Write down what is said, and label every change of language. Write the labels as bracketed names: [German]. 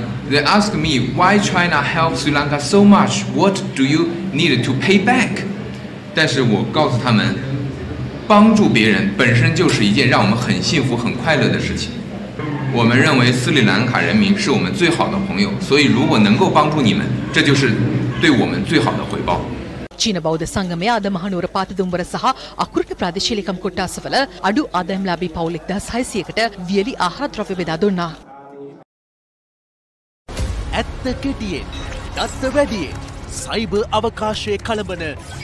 [English] They ask me why China helps Sri Lanka so much. What do you need to pay back? [Chinese] 但是我告诉他们，帮助别人本身就是一件让我们很幸福、很快乐的事情。我们认为斯里兰卡人民是我们最好的朋友，所以如果能够帮助你们，这就是对我们最好的回报。 [Sinhala] චීන බෞද්ධ සංගමය අද මහනුවර පාත දුම්බර සහ අකුරට ප්‍රාදේශීයකම් කොට්ටාසවල අඩු ආදායම් ලාභී පවුල් 1600කට වියලි ආහාර ද්‍රව්‍ය බෙදා දුන්නා. ඇත්ත කෙටියෙන්, දත්ත වැඩියෙන්, සයිබර් අවකාශයේ කලබන.